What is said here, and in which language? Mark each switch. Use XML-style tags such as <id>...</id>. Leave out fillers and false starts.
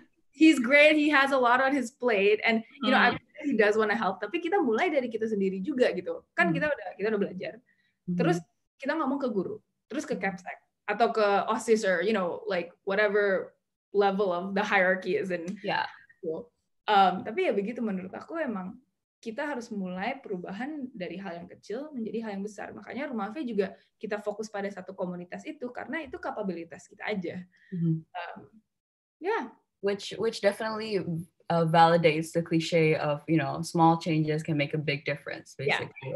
<en>He's great, he has a lot on his plate, and you know, he does want to help.</en> <id>Tapi kita mulai dari kita sendiri juga gitu, kan? Kita udah belajar. Terus kita ngomong ke guru, terus ke Capsec atau ke OSIS,</id> <en>or you know, like whatever level of the hierarchy is in. Yeah.</en> <id>Tapi ya begitu, menurut aku emang kita harus mulai perubahan dari hal yang kecil menjadi hal yang besar. Makanya Rumah Faye juga kita fokus pada satu komunitas itu, karena itu kapabilitas kita aja.</id> <en>Which definitely validates the cliche of, you know, small changes can make a big difference, basically, yeah.</en>